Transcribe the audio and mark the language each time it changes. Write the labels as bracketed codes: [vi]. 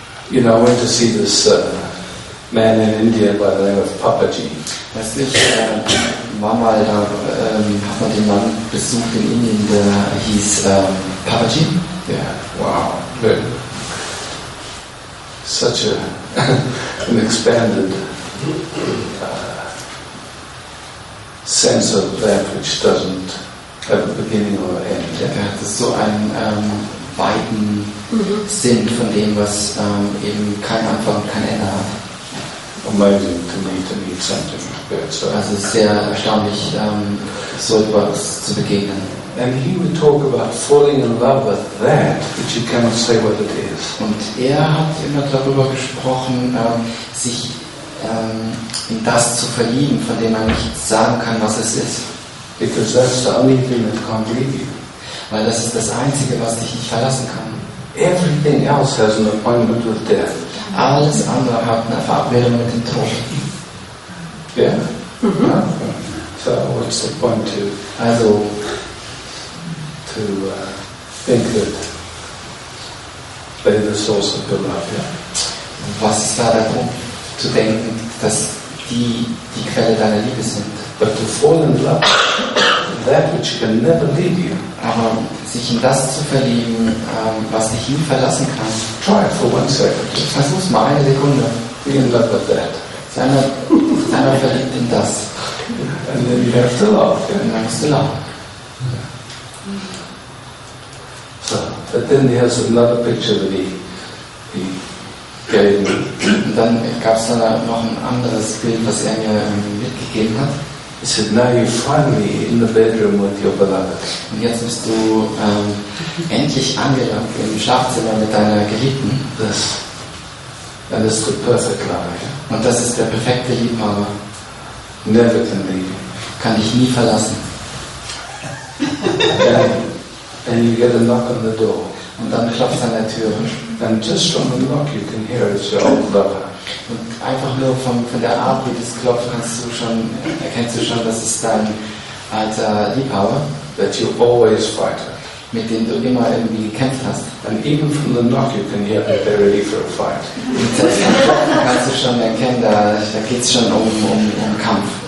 [en] You know, I went to see this man in India by the name of Papaji. [de] Weißt du, ich war mal da, hat man den Mann besucht in Indien, der hieß Papaji. [en] Yeah, wow. Good. Such a an expanded sense of that which doesn't have a beginning or end. [de] Yeah, das ist so ein weiten Sinn von dem, was eben keinen Anfang und kein Ende hat. [en] Amazing to me to meet something good. So. [de] Also es ist sehr erstaunlich, so etwas zu begegnen. [en] And he would talk about falling in love with that, but you cannot say what it is. [de] Und er hat immer darüber gesprochen, sich in das zu verlieben, von dem man nicht sagen kann, was es ist. [en] Because that's the only thing that can't leave you. [de] Weil das ist das Einzige, was dich nicht verlassen kann. [en] Everything else has an appointment with death. [de] Alles andere hat eine Verabredung mit dem Tod. [en] Yeah. Mm-hmm. So what's the point to? [de] Also [en] to think that they're the source of good life. Yeah. [de] Was ist da der Punkt, zu denken, dass die die Quelle deiner Liebe sind? [en] But to fall in love, that which can never leave you. [de] Aber sich in das zu verlieben, was dich nie verlassen kann. [en] Try it for one second. [de] Versuch's mal eine Sekunde. [en] Be in love with that. [de] Sei mal, sei mal verliebt in das. [en] And then you have to love. [de] Und dann musst du lachen. [en] So, but then he has another picture that he gave me. [de] Und dann gab's dann noch ein anderes Bild, was er mir mitgegeben hat. [en] He said, now you're finally in the bedroom with your beloved. [de] Und jetzt bist du endlich angelangt im Schlafzimmer mit deiner Geliebten. [en] This, that is the perfect love. Yeah? [de] Und das ist der perfekte Liebhaber. [en] Never can leave you. [de] Kann dich nie verlassen. [en] And you get a knock on the door. [de] Und dann klopft an der Tür. [en] And just from the knock you can hear it's your old lover. [de] Und einfach nur von der Art, wie das klopft, kannst du schon, erkennst du schon, dass es dein alter Liebhaber, [en] that you always fight, [de] mit dem du immer irgendwie gekämpft hast. [en] And even from the knock you can hear that they're ready for a fight. [de] Und selbst beim Klopfen kannst du schon erkennen, da geht es schon um Kampf.